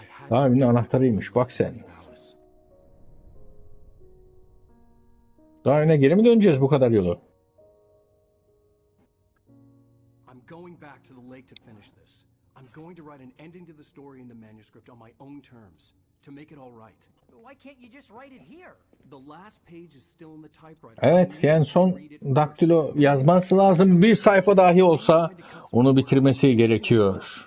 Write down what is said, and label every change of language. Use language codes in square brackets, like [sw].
[tr] Abinin anahtarıymış. Bak sen. Daha yine geri mi döneceğiz bu kadar yolu? [en] I'm going back to the lake to finish this. I'm going to write an ending to the story in the manuscript on my own terms to make it all right. Why can't you just write it here? The last page is still in the typewriter. [tr] Evet, yani son daktilo yazması lazım. Bir sayfa dahi olsa onu bitirmesi gerekiyor.